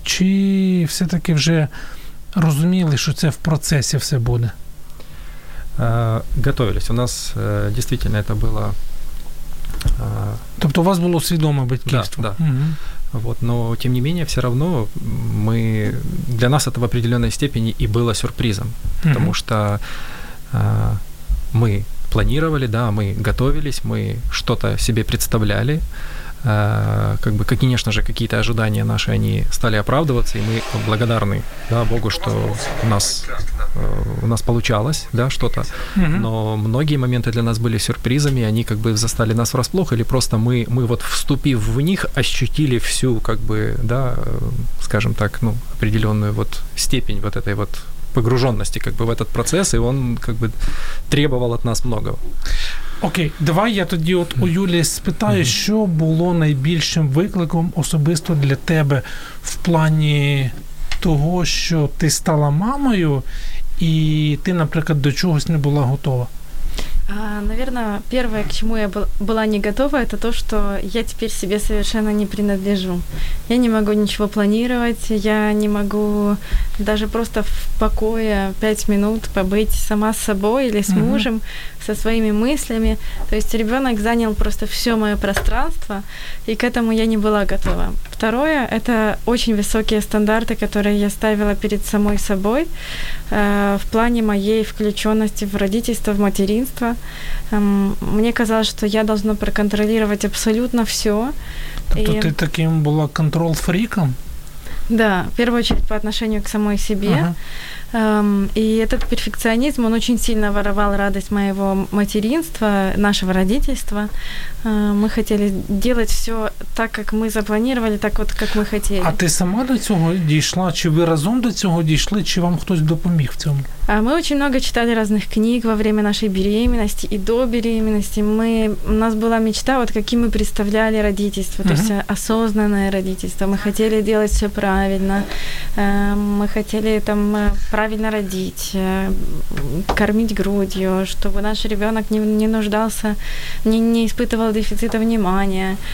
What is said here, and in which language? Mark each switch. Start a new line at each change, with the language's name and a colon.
Ukrainian: Чи все-таки вже розуміли, що це в процесі все буде?
Russian: Готовились.
Ukrainian: У нас дійсно це було. Тобто у вас було свідоме батьківство?
Russian: Да, да. Угу. Вот, но тем не менее, все равно мы для нас это в определенной степени и было сюрпризом, потому что мы планировали, да, мы готовились, мы что-то себе представляли. Как бы, конечно же, какие-то ожидания наши, они стали оправдываться, и мы благодарны, да, Богу, что у нас получалось, да, что-то. Но многие моменты для нас были сюрпризами, они как бы застали нас врасплох, или просто мы вот, вступив в них, ощутили всю, как бы, да, скажем так, ну, определенную вот степень вот этой вот погруженности, как бы, в этот процесс, и он как бы требовал от нас многого.
Ukrainian: Окей, давай я тоді от у Юлі спитаю, що було найбільшим викликом особисто для тебе в плані того, що ти стала мамою і ти, наприклад, до чогось не була готова?
Russian: Наверное, первое, к чему я была не готова, это то, что я теперь себе совершенно не принадлежу. Я не могу ничего планировать, я не могу даже просто в покое 5 минут побыть сама с собой или с мужем, со своими мыслями. То есть ребенок занял просто все мое пространство, и к этому я не была готова. Второе, это очень высокие стандарты, которые я ставила перед самой собой в плане моей включенности в родительство, в материнство. Мне казалось, что я должна проконтролировать абсолютно все. Тобто ты таким была контрол-фриком? Да, в первую очередь по отношению к самой себе. И этот перфекционизм, он очень сильно воровал радость моего материнства, нашего родительства. Мы хотели делать все так, как мы запланировали, так вот, как мы хотели.
Ukrainian: А ты сама до цього дійшла? Чи ви разом до цього дійшли? Чи вам хтось допоміг в цьому?
Russian: Мы очень много читали разных книг во время нашей беременности и до беременности. У нас была мечта, вот каким мы представляли родительство, то есть осознанное родительство. Мы хотели делать все правильно. Мы хотели там правильно родить, кормить грудью, чтобы наш ребенок не нуждался, не испытывал дефицита внимания.